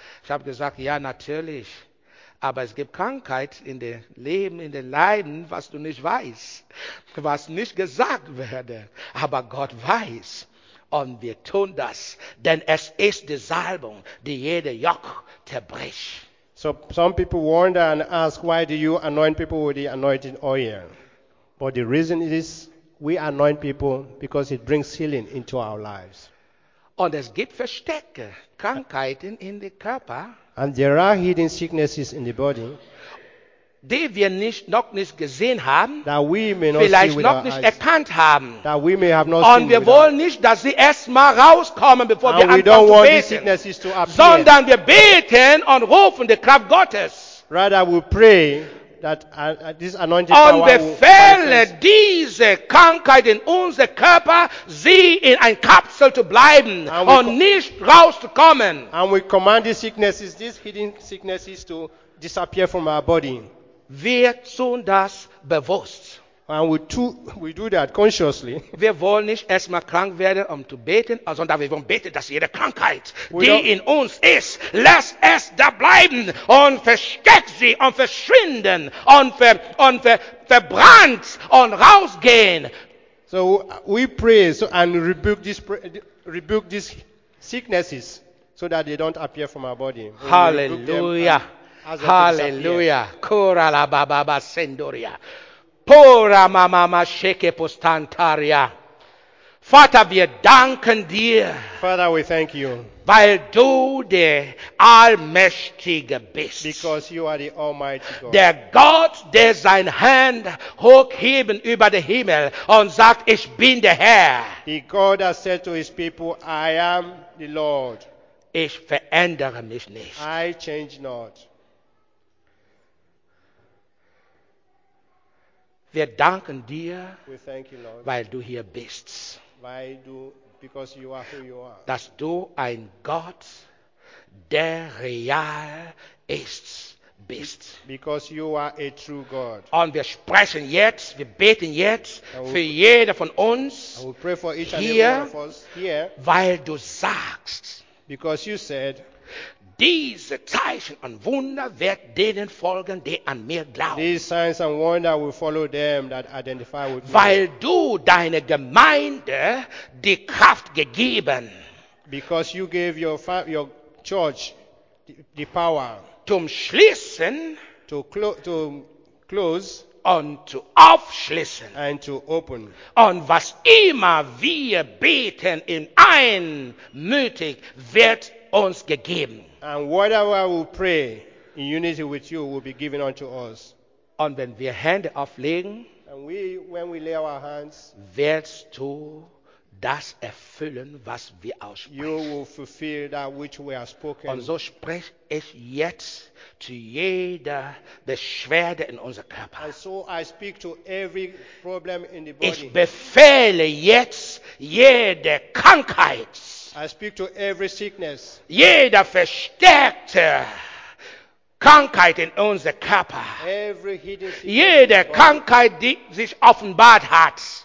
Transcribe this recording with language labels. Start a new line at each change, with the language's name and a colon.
German: Ich habe gesagt, ja, natürlich. Aber es gibt Krankheit in dem Leben, in den Leiden, was du nicht weißt, was nicht gesagt werde. Aber Gott weiß. Und wir tun das, denn es ist die Salbung, die jede Joch zerbricht.
English: So some people wonder and ask, why do you anoint people with the anointing oil? But the reason is, we anoint people because it brings healing into our lives.
German: Und es gibt versteckte Krankheiten in den Körper.
English: And there are hidden sicknesses in the body.
German: Die wir noch nicht gesehen haben.
English: That we may not
German: vielleicht
English: see
German: noch nicht
English: eyes,
German: erkannt haben.
English: That we may have not
German: und wir wollen nicht, dass sie erstmal rauskommen, bevor
English: and
German: wir anfangen zu beten.
English: These sicknesses to appear.
German: Sondern wir beten und rufen die Kraft Gottes.
English: Rather we pray that this anointing power.
German: Und befehle diese Krankheit in unser Körper, sie in ein Kapsel zu bleiben und nicht rauszukommen.
English: And we command these sicknesses, these hidden sicknesses, to disappear from our body.
German: Wir tun das bewusst.
English: And we do that consciously.
German: Wir wollen nicht erstmal krank werden, zu beten, sondern wir wollen beten, dass jede Krankheit, die in uns ist, lass es da bleiben und versteck sie und verschwinden und verbrannt und rausgehen.
English: So we pray and rebuke these sicknesses so that they don't appear from our body. Hallelujah. Hallelujah. Kura la baba ba sendoria. Pora mama masheke postantaria.
German: Vater, wir danken dir.
English: Father, we thank you.
German: Weil du der Allmächtige bist.
English: Because you are the Almighty God.
German: Der Gott, der sein Hand hochheben über den Himmel und sagt, ich bin der Herr.
English: The God has said to his people, I am the Lord.
German: Ich verändere mich nicht.
English: I change not.
German: Wir danken dir,
English: we thank you, Lord,
German: weil du hier bist.
English: Because you are who you are.
German: Dass du ein Gott, der real ist, bist.
English: Because you are a true God.
German: Und wir sprechen jetzt, wir beten jetzt für jeden von uns hier, weil du sagst,
English: because you said,
German: diese Zeichen und Wunder wird denen folgen, die an mir glauben.
English: These signs and wonder will follow them that identify with me.
German: Weil du deine Gemeinde die Kraft gegeben.
English: Because you gave your church the power.
German: Zum Schließen.
English: To close.
German: Und zu aufschließen.
English: And to open.
German: Und was immer wir beten in einmütig wird uns gegeben.
English: And whatever we pray in unity with you will be given unto us.
German: Und wenn wir Hände auflegen,
English: and when we lay our hands,
German: wirst du das erfüllen, was wir aussprechen.
English: You will fulfill that which we have spoken.
German: Und so spreche ich jetzt zu jeder Beschwerde in unserem Körper.
English: And so I speak to every problem in the body.
German: Ich befehle jetzt jede Krankheit.
English: I speak to every sickness.
German: Jeder versteckte Krankheit in unser Körper.
English: Every hidden sickness.
German: Jede Krankheit, die sich offenbart hat.